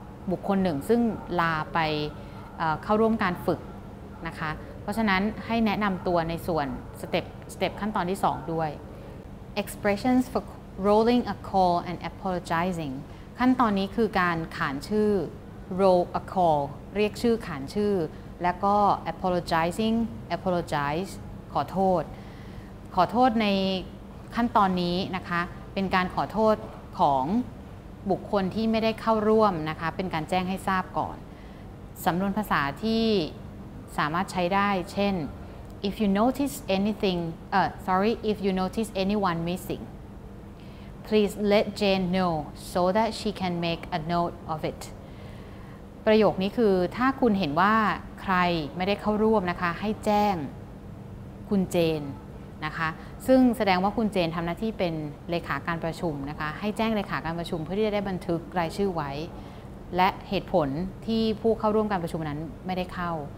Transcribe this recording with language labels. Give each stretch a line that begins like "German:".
Thai: บุคคลหนึ่งซึ่งลาไปเข้าร่วมการฝึกนะคะเพราะฉะนั้นให้แนะนำตัวในส่วนสเต็ปขั้นตอนที่2ด้วย
English: expressions for rolling a call and apologizing
Thai: ขั้นตอนนี้คือการขานชื่อ
English: roll a call
Thai: เรียกชื่อขานชื่อแล้วก็ apologize ข อโทษในขั้นตอนนี้นะคะเป็นการขอโทษของบุคคลที่ไม่ได้เข้าร่วมนะคะเป็นการแจ้งให้ทราบก่อนสำนวนภาษาที่สามารถใช้ได้เช่น
English: if you notice anything, if you notice anyone missing, please let Jane know so that she can make a note of it.
Thai: ประโยคนี้คือถ้าคุณเห็นว่าใครไม่ได้เข้าร่วมนะคะให้แจ้งคุณเจนนะคะซึ่งแสดงว่าคุณเจนทำหน้าที่เป็นเลขาการประชุมนะคะให้แจ้งเลขาการประชุมเพื่อที่จะได้บันทึกรายชื่อไว้และเหตุผลที่ผู้เข้าร่วมการประชุมนั้นไม่ได้เข้า